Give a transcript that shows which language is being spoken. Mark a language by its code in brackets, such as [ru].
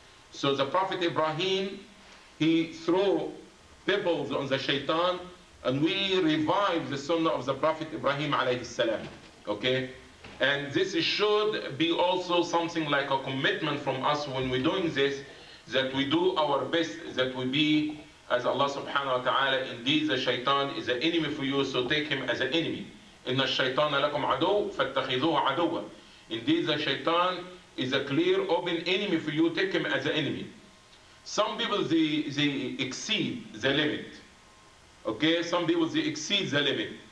[en] So the Prophet Ibrahim, he threw pebbles on the shaitan, and we revive the sunnah of the Prophet Ibrahim alayhi salam. Okay? And this should be also something like a commitment from us when we're doing this, that we do our best, that we be as Allah subhanahu wa ta'ala, indeed the shaitan is an enemy for you, so take him as an enemy. [ar] إن الشيطان لكم عدو فاتخذوه عدوا. [en] Indeed the shaitan is a clear open enemy for you, take him as an enemy. Some people they exceed the limit. Okay, some people they exceed the limit.